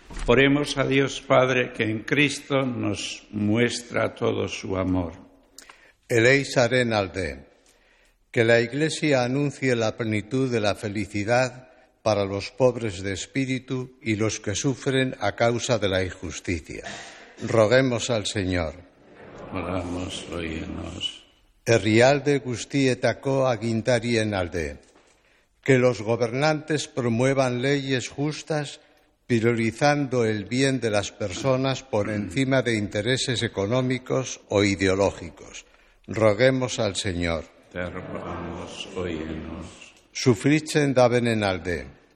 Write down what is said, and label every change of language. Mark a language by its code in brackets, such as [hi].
[es] Oremos a Dios Padre, que en Cristo nos muestra todo su amor. [eu] Eleisaren alde, [es] que la Iglesia anuncie la plenitud de la felicidad para los pobres de espíritu y los que sufren a causa de la injusticia. Roguemos al Señor. Oramos, oíenos. [eu] Herrialde guztietako agintarien alde. [es] Que los gobernantes promuevan leyes justas, priorizando el bien de las personas por encima de intereses económicos o ideológicos. Roguemos al Señor. Te rogamos, oíenos. [eu] Sufritzen dabenen alde.